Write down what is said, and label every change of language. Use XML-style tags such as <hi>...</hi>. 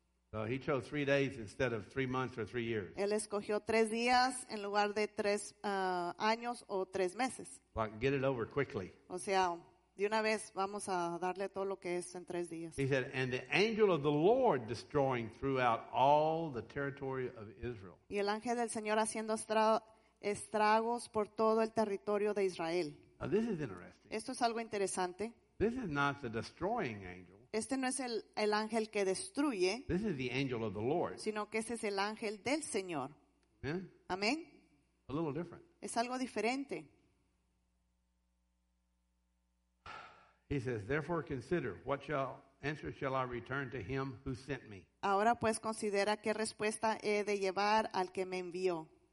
<en>So he chose 3 days instead of 3 months or 3 years.</en> <es>Él escogió 3 días en lugar de 3 años o 3 meses.</es> <en>Like, get it over quickly.</en> <es>O sea, de una vez vamos a darle todo lo que es en 3 días.</es> <en>He said, and the angel of the Lord destroying throughout all the territory of Israel.</en> <es>Y el ángel del Señor haciendo estragos por todo el territorio de Israel.</es> <en>Now, this is interesting.</en> <es>Esto es algo interesante.</es> <en>This is not the destroying angel.</en> <es>Este no es el ángel que destruye.</es> <en>This is the angel of the Lord.</en> <es>Sino que este es el ángel del Señor.</es> <en>Amen.</en> <es>Amen.</es> <en>A little different.</en> <es>Es algo diferente.</es> <en>He says, therefore consider what answer shall I return to him who sent me.</en> <es>Ahora pues considera qué respuesta he de llevar al que me envió.</es>